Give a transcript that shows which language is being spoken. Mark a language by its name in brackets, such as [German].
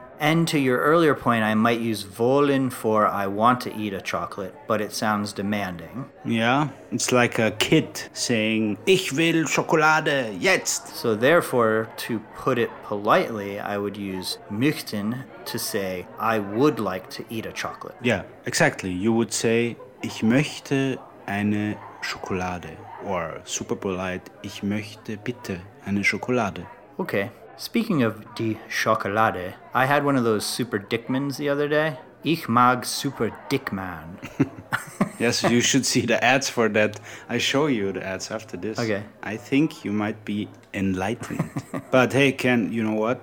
[English] And to your earlier point, I might use wollen for I want to eat a chocolate, but it sounds demanding. Yeah, it's like a kid saying, [German] ich will Schokolade, jetzt! [English] So therefore, to put it politely, I would use möchten to say, I would like to eat a chocolate. Yeah, exactly. You would say, [German] ich möchte eine Schokolade. [English] Or super polite, [German] ich möchte bitte eine Schokolade. [English] Okay. Speaking of die Schokolade, I had one of those Super Dickmans the other day. [German] Ich mag Super Dickman. [English] Yes, you should see the ads for that. I show you the ads after this. Okay. I think you might be enlightened. But hey, Ken, you know what?